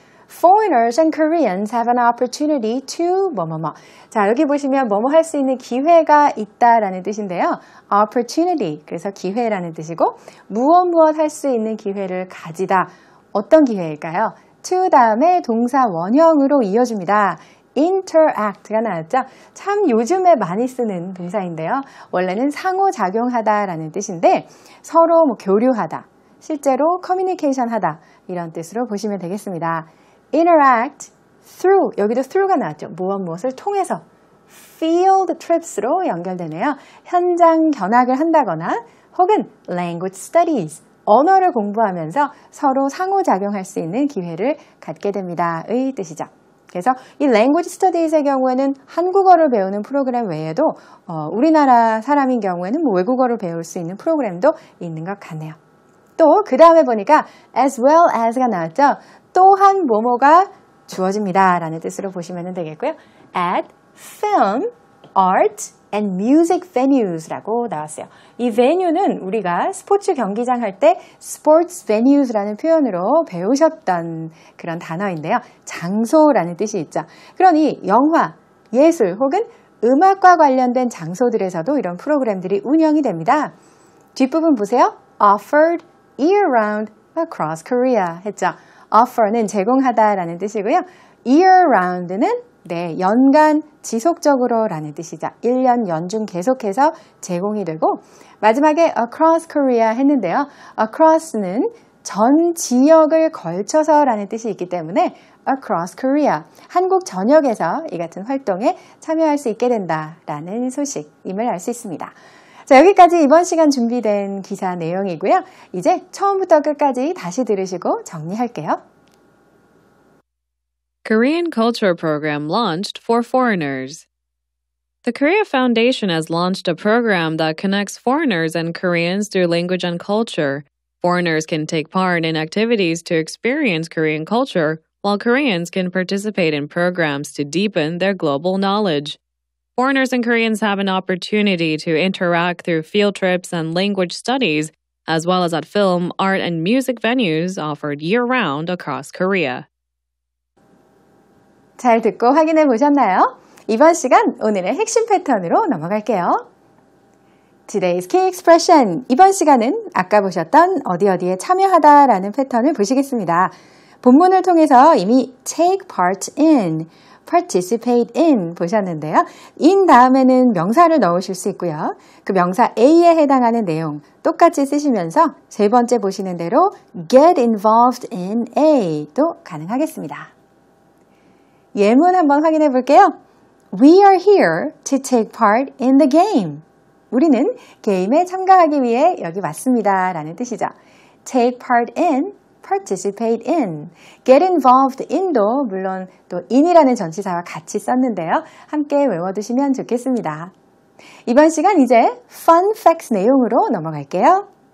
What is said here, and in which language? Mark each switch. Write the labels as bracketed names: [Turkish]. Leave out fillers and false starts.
[English] Foreigners and Koreans have an opportunity to [Korean] 뭐뭐뭐. 자, 여기 보시면 뭐뭐 할 수 있는 기회가 있다라는 뜻인데요. opportunity, 그래서 기회라는 뜻이고 무엇무엇 할 수 있는 기회를 가지다. 어떤 기회일까요? to 다음에 동사 원형으로 이어집니다. interact가 나왔죠. 참 요즘에 많이 쓰는 동사인데요. 원래는 상호작용하다 라는 뜻인데 서로 뭐 교류하다, 실제로 커뮤니케이션 하다 이런 뜻으로 보시면 되겠습니다. [English] interact through, [Korean] 여기도 through가 나왔죠. 무엇 무엇을 통해서 [English] field trips [Korean] 로 연결되네요. 현장 견학을 한다거나 혹은 [English] language studies, [Korean] 언어를 공부하면서 서로 상호작용할 수 있는 기회를 갖게 됩니다의 뜻이죠. 그래서 이 [English] language studies [Korean] 의 경우에는 한국어를 배우는 프로그램 외에도 우리나라 사람인 경우에는 뭐 외국어를 배울 수 있는 프로그램도 있는 것 같네요. 또 그 다음에 보니까 [English] as well as [Korean] 가 나왔죠. 또한 뭐뭐가 주어집니다 라는 뜻으로 보시면 되겠고요. [English] at film, art, and music venues [Korean] 라고 나왔어요. 이 venue는 우리가 스포츠 경기장 할 때 [English] sports venues [Korean] 라는 표현으로 배우셨던 그런 단어인데요. 장소라는 뜻이 있죠. 그러니 영화, 예술 혹은 음악과 관련된 장소들에서도 이런 프로그램들이 운영이 됩니다. 뒷부분 보세요. [English] offered year-round across Korea 했죠. [Korean] offer는 제공하다 라는 뜻이고요. year-round는 네, 연간 지속적으로 라는 뜻이죠. 1년 연중 계속해서 제공이 되고 마지막에 [English] across Korea [Korean] 했는데요. across는 전 지역을 걸쳐서 라는 뜻이 있기 때문에 [English] across Korea, [Korean] 한국 전역에서 이 같은 활동에 참여할 수 있게 된다라는 소식임을 알 수 있습니다. 자, 여기까지 이번 시간 준비된 기사 내용이고요. 이제 처음부터 끝까지 다시 들으시고 정리할게요. [English] Korean Culture Program Launched for Foreigners. The Korea Foundation has launched a program that connects foreigners and Koreans through language and culture. Foreigners can take part in activities to experience Korean culture, while Koreans can participate in programs to deepen their global knowledge. Foreigners and Koreans have an opportunity to interact through field trips and language studies, as well as at film, art, and music venues offered year-round across Korea. [Korean] 잘 듣고 확인해 보셨나요? 이번 시간 오늘의 핵심 패턴으로 넘어갈게요. [English] Today's key expression. [Korean] 이번 시간은 아까 보셨던 어디 어디에 참여하다 라는 패턴을 보시겠습니다. 본문을 통해서 이미 [English] take part in, participate in [Korean] 보셨는데요. in 다음에는 명사를 넣으실 수 있고요. 그 명사 A에 해당하는 내용 똑같이 쓰시면서 세 번째 보시는 대로 [English] get involved in A [Korean] 도 가능하겠습니다. 예문 한번 확인해 볼게요. [English] We are here to take part in the game. [Korean] 우리는 게임에 참가하기 위해 여기 왔습니다. 라는 뜻이죠. [English] Take part in, participate in. Get involved in [Korean] 도 물론 또 in이라는 전치사와 같이 썼는데요. 함께 외워두시면 좋겠습니다. 이번 시간 이제 [English] fun facts [Korean] 내용으로 넘어갈게요.